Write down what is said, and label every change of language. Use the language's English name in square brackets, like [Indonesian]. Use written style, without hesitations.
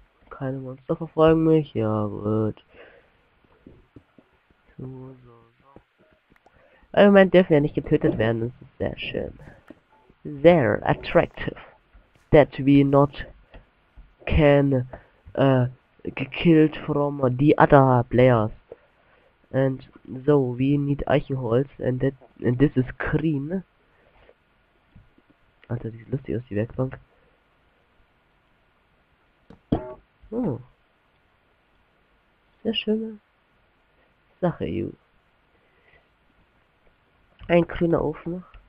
[German] Keine Monster verfolgen mich, ja gut. Im Moment dürfen wir nicht getötet werden, das ist sehr schön. Sehr attractive. [English] That we not can gekillt from the other players. And so, we need Eichenholz and that and this is green. [German] Alter, wie lustig ist die Werkbank. Oh. Sehr schöne Sache, you. Ein grüner Ofen.